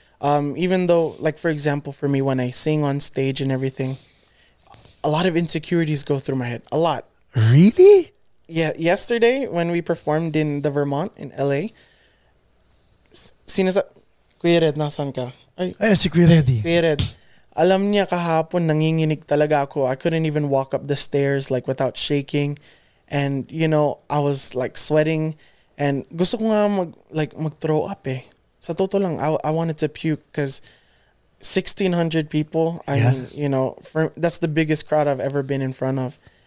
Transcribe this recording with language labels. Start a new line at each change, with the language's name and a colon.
English: Even though, like, for example, for me, when I sing on stage and everything, a lot of insecurities go through my head. A lot. Really? Yeah. Yesterday, when we performed in the Vermont in LA, sinasa...
Filipino: Kuya Red, nasan ka? Ay, si Kuya Red. Kuya Red. Alam niya kahapon, nanginginig talaga ako.
English: I couldn't even walk up the stairs, like, without shaking. And, you know, I was, like, sweating. And
Filipino: gusto ko nga mag-throw up eh. Sa toto lang,
English: I wanted to puke because 1,600 people, I mean, you know, that's the biggest crowd I've ever been in front of.